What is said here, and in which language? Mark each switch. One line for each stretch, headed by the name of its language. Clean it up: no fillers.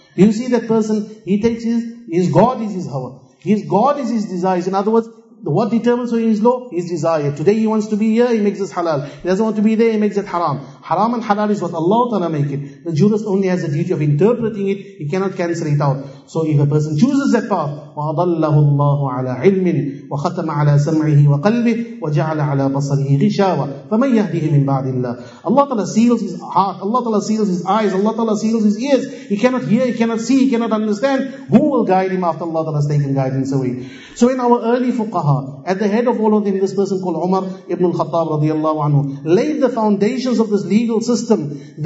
English: You see that person, he takes his God is his hawa. His God is his desires. In other words, what determines his law? His desire. Today he wants to be here, he makes this halal. He doesn't want to be there, he makes it haram. Haram and halal is what Allah Ta'ala make it. The jurist only has the duty of interpreting it. He cannot cancel it out. So if a person chooses that path,
Arabic: وَضَلَّهُ اللَّهُ عَلَىٰ عِلْمٍ وَخَتَمَ عَلَىٰ سَمْعِهِ وَقَلْبِهِ وَجَعَلَ عَلَىٰ بَصَرِهِ غِشَاوَةً فَمَنْ يَهْدِهِ مِنْ بَعْدِ اللَّهِ.
English: Allah Ta'ala seals his heart. Allah Ta'ala seals his eyes. Allah Ta'ala seals his ears. He cannot hear, he cannot see, he cannot understand. Who will guide him after Allah Ta'ala has taken guidance away? So in our early fuqaha, at the head of all of them, this person called Umar ibn al-Khattab radiallahu anhu, laid the foundations of this legal system.